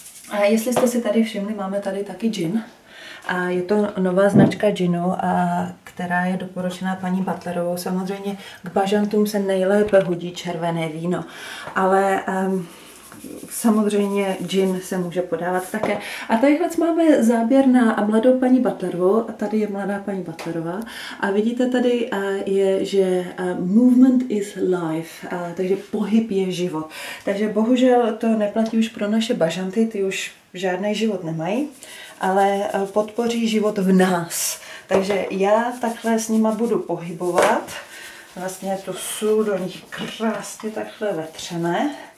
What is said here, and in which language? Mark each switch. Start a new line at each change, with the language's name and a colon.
Czech: A jestli jste si tady všimli, máme tady taky gin. A je to nová značka ginu, která je doporučená paní Butlerovou. Samozřejmě k bažantům se nejlépe hodí červené víno. Ale samozřejmě gin se může podávat také. A tadyhle máme záběr na mladou paní Butlerovou. A tady je mladá paní Butlerová. A vidíte tady,
English: movement is life.
Czech: Takže pohyb je život. Takže bohužel to neplatí už pro naše bažanty. Ty už žádný život nemají. Ale podpoří život v nás. Takže já takhle s nima budu pohybovat. Vlastně tu sůl do nich krásně takhle vetřeme.